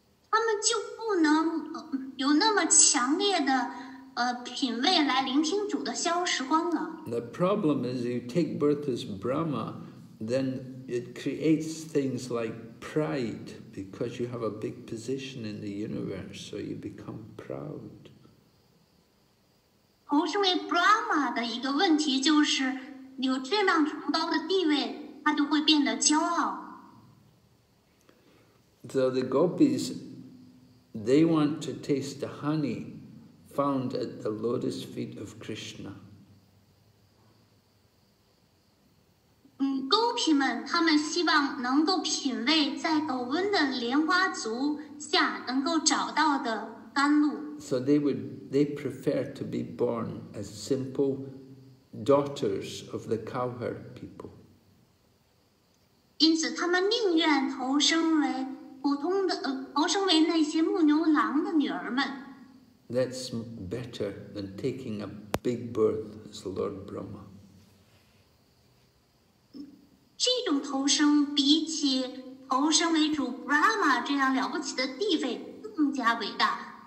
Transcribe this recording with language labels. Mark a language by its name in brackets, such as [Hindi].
[Chinese] 他们就不能有那强烈的品味来聆听主的逍遥时光呢？ [English] The problem is you take birth as Brahma, then it creates things like pride, because you have a big position in the universe, so you become proud. [Chinese] 同时为 Brahma 的一个问题就是有这样崇高的地位他就会变得骄傲。 [English] So the gopis, they want to taste the honey found at the lotus feet of Krishna. [Chinese] 勾皮们他们希望能够品味在狗温的莲花足下能够找到的甘露。 [English] So they prefer to be born as simple daughters of the cowherd people. [Chinese] 因此他们宁愿投生为普通的投生为那些牧牛郎的女儿们。 [English] That's better than taking a big birth as Lord Brahma. [Chinese] 这种投生比起投生为主 Brahma 这样了不起的地位更加伟大。